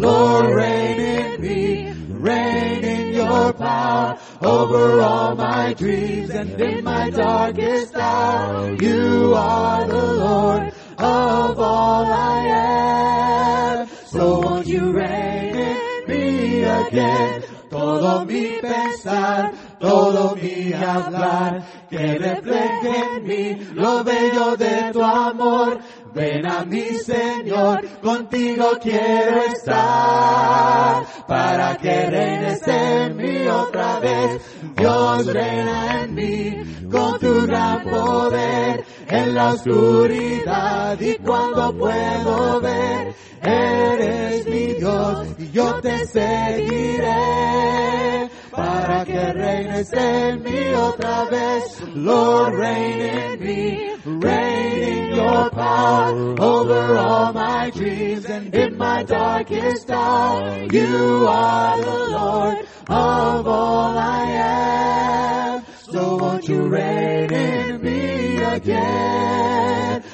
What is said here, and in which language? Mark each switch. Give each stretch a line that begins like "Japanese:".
English: Lord, reign in me, reign in your power. Over all my dreams and in my darkest hour, you are the Lord of all I am. So won't you reign in me again?
Spanish: Todo mi pensar, todo mi hablar, que refleje en mí lo bello de tu amor. Ven a mí, Señor, contigo quiero estar, para que reines en mí otra vez. Dios, reina en mí con tu gran poder, en la oscuridad y cuando puedo ver. Eres mi Dios y yo te seguiré, para que reines en mí otra vez.
English: Lord, reign in me, reign in your power over all my dreams. in my darkest hour. You are the Lord of all I am. So won't you reign in me again?